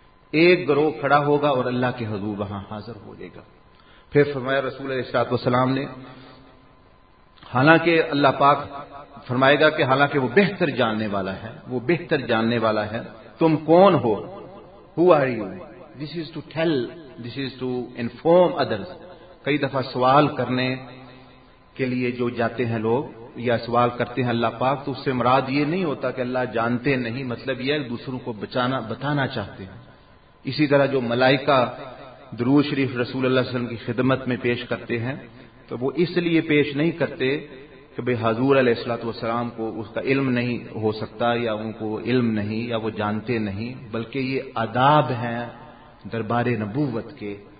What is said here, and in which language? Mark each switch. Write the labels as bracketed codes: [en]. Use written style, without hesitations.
[ur] ایک گروہ کھڑا ہوگا اور اللہ کے حضور وہاں حاضر ہو جائے گا. پھر فرمایا رسول علیہ الصلوۃ والسلام نے, حالانکہ اللہ پاک فرمائے گا کہ حالانکہ وہ بہتر جاننے والا ہے, وہ بہتر جاننے والا ہے, تم کون ہو؟ [en] Who are you? This is to tell, this is to inform others. [ur] کئی دفعہ سوال کرنے کے لیے جو جاتے ہیں لوگ یا سوال کرتے ہیں اللہ پاک, تو اس سے مراد یہ نہیں ہوتا کہ اللہ جانتے نہیں, مطلب یہ ہے دوسروں کو بتانا چاہتے ہیں. اسی طرح جو ملائکہ درود شریف رسول اللہ صلی اللہ علیہ وسلم کی خدمت میں پیش کرتے ہیں, تو وہ اس لیے پیش نہیں کرتے کہ بھائی حضور علیہ الصلوۃ والسلام کو اس کا علم نہیں ہو سکتا, یا ان کو علم نہیں, یا وہ جانتے نہیں, بلکہ یہ آداب ہیں دربار نبوت کے.